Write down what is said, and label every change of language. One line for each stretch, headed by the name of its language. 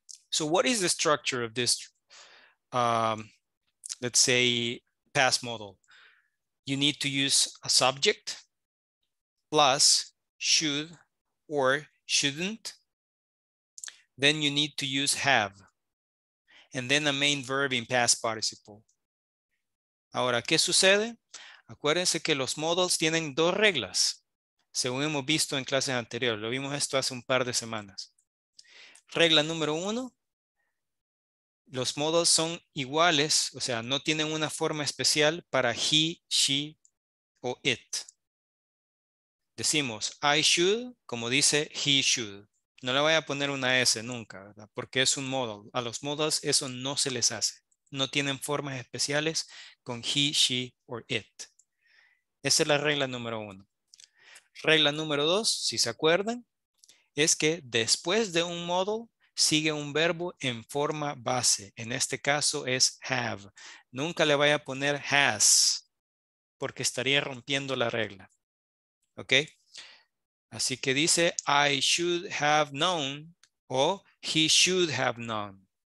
English: So, what is the structure of this, let's say, past modal? You need to use a subject plus should or shouldn't. Then you need to use have. And then a main verb in past participle.
Spanish: Ahora, ¿qué sucede? Acuérdense que los modals tienen dos reglas, según hemos visto en clases anteriores. Lo vimos esto hace un par de semanas. Regla número uno, los modals son iguales, o sea, no tienen una forma especial para he, she o it. Decimos,
English: I should,
Spanish: como dice
English: he should.
Spanish: No le voy a poner una S nunca, ¿verdad? Porque es un modal. A los modals eso no se les hace. No tienen formas especiales con he, she o it. Esa es la regla número uno. Regla número dos, si se acuerdan, es que después de un modal sigue un verbo en forma base. En este caso es have. Nunca le vaya a poner has porque estaría rompiendo la regla. ¿Ok? Así que dice
English: I should have known o he should have known.